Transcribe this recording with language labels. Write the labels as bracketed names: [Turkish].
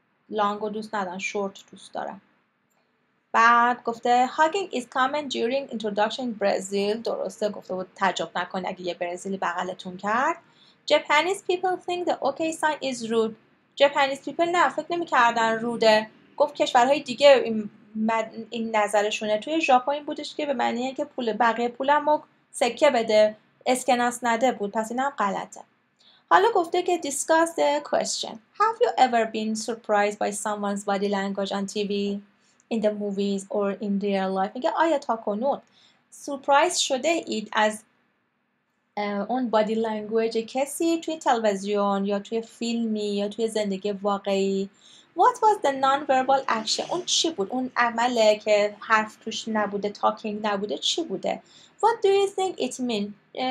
[Persian] Long رو دوست ندارن, short دوست دارن. بعد گفته [English] hugging is common during introduction in Brazil. [Persian] درسته گفته بود تعجب نکن اگه یه برزیلی بغلتون کرد. [English] Japanese people think the okay sign is rude. Japanese people [Persian] نه فکر نمی کردن روده, گفت کشورهای دیگه این نظرشونه. توی ژاپن این بودش که به معنی که پول بقیه پولم رو سکه بده, اسکناس نده بود, پس این هم غلطه. حالا گفته که [English] discuss the question. Have you ever been surprised by someone's body language on TV? In the movies or in real life. [Persian] میگه آیا تا کنون سورپرایز شده اید از اون بادی لنگویج کسی توی تلویزیون یا توی فیلمی یا توی زندگی واقعی؟ [English] What was the non-verbal action? [Persian] اون چی بود؟ اون عمله که حرف توش نبوده, talking نبوده, چی بوده؟ [English] What do you think it means?